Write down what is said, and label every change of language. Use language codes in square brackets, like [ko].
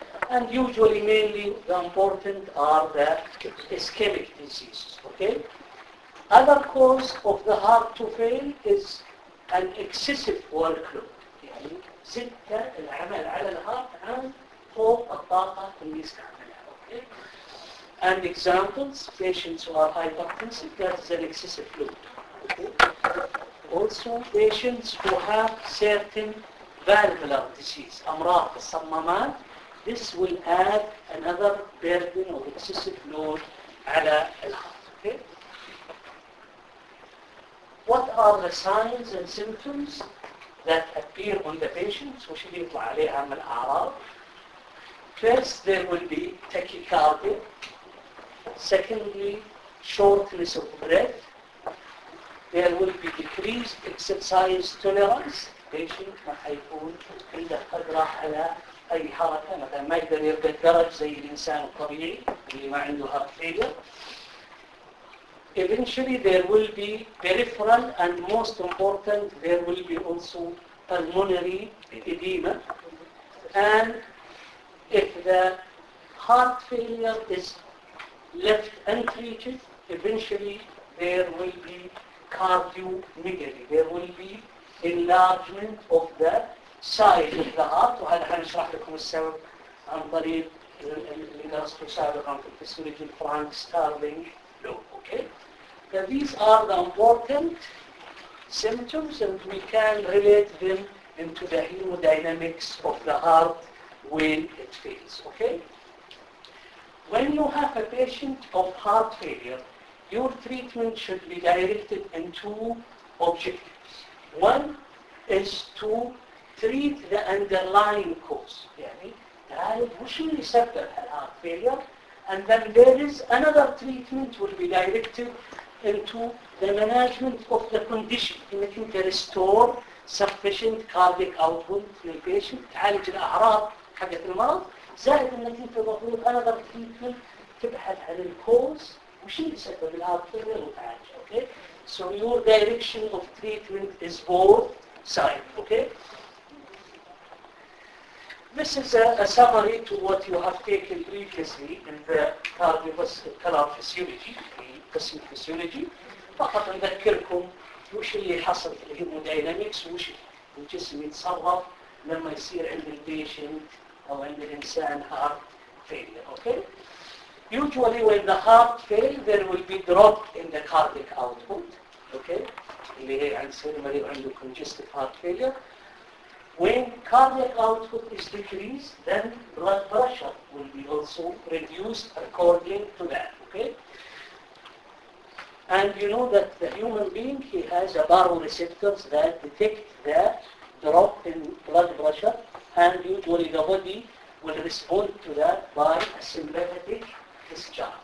[en] And usually, mainly, the important are the ischemic diseases. Okay? Other cause of the heart to fail is an excessive workload. [ar] زدت العمل على الهارت عن فوق الطاقة اللي يستعملها. [en] And examples, patients who are hypertensive, that is an excessive load. Okay. Also, patients who have certain valvular disease, [ar] amraq, sammamat, [en] this will add another burden or excessive load ala al-heart. Okay. What are the signs and symptoms that appear on the patient? So, should we talk [ar] alayha amal a'raab? [en] First, there will be tachycardia. Secondly, shortness of breath. There will be decreased exercise tolerance. [ar] Patient ما حيكون عنده قدرة على أي حركة. مثلا ما يقدر يرقى الدرج زي الإنسان الطبيعي اللي ما عنده heart failure. [en] Eventually, there will be peripheral and most important, there will be also pulmonary edema. And if the heart failure is left untreated, eventually there will be cardiomegaly. There will be enlargement of the size of the heart. [ar] وهذا حنشرح لكم السبب عن طريق اللي درسته سابقا في الفسيولوجي الفرانك ستارلينج لو. [en] Okay. So these are the important symptoms and we can relate them into the hemodynamics of the heart when it fails. Okay. When you have a patient of heart failure, your treatment should be directed in two objectives. One is to treat the underlying cause. [ar] يعني تعالج وش اللي سبب [en] الheart failure, and then there is another treatment will be directed into the management of the condition. [ar] إنك أنت [en] restore sufficient cardiac output to the patient, [ar] تعالج الأعراض حقت المرض. زائد انك انت المفروض انا بتبحث عن الكوز وش اللي سبب الهارت فيلير وتعالج. اوكي [en] So your direction of treatment is both sides, okay? This is a summary to what you have taken previously in the cardiovascular physiology, the cardiac physiology. [ar] فقط نذكركم وش اللي حصل في الهيمودايناميكس وش الجسم يتصرف لما يصير عند البيشنت او عند الانسان هارت فيلر، اوكي؟ [en] Usually when the heart fail there will be drop in the cardiac output، [ar] اوكي؟ اللي هي عند سير مريض عنده congestive heart failure. [en] When cardiac output is decreased then blood pressure will be also reduced according to that, okay? And you know that the human being, he has a baroreceptors that detect the drop in blood pressure, and usually the body will respond to that by a sympathetic discharge.